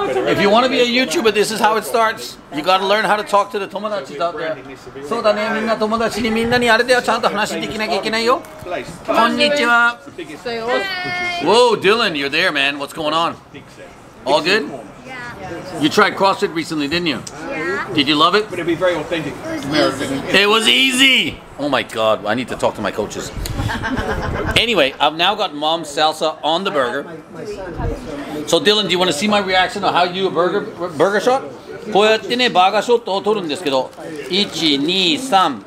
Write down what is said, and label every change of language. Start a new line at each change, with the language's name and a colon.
English: If you want to be a YouTuber, this is how it starts. You got to learn how to talk to the 友達 out there.
Japanese: そうだね、みんな友達にみんなにあれだよ、ちゃんと話できなきゃいけないよ。こんにちは。
English: Whoa, Dylan, you're there, man. What's going on? All good? You tried CrossFit recently, didn't you? Yeah. Did you love it? But it'd be very authentic. It was easy. Oh my God, I need to talk to my coaches. Anyway, I've now got mom's salsa on the burger. So Dylan, do you want to see my reaction on how you do a burger shot?
Japanese: こうやってね、バーガーショットを撮るんですけど、1、2、3。